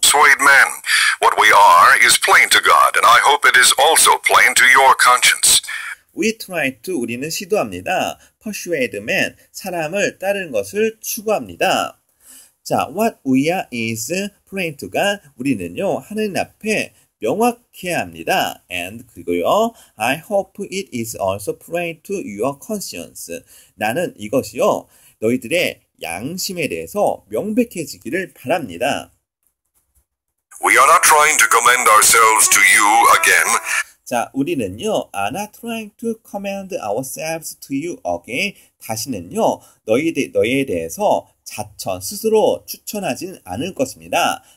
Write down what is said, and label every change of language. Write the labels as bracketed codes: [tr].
[en] persuade man. What we are is plain to God, and I hope it is also plain to your conscience. We try to, [ko] 우리는 시도합니다. [en] Persuade man, [ko] 사람을 따르는 것을 추구합니다. [en] 자, what we are is plain to God. [ko] 우리는요, 하느님 앞에 명확해야 합니다. [en] And [ko] 그리고요, [en] I hope it is also plain to your conscience. [ko] 나는 이것이요, 너희들의 양심에 대해서 명백해지기를 바랍니다. [en] We are not trying to commend ourselves to you again. 자, [ko] 우리는요, [en] are not trying to commend ourselves to you again. [ko] 다시는요, 너희에 대해서 자천, 스스로 추천하진 않을 것입니다.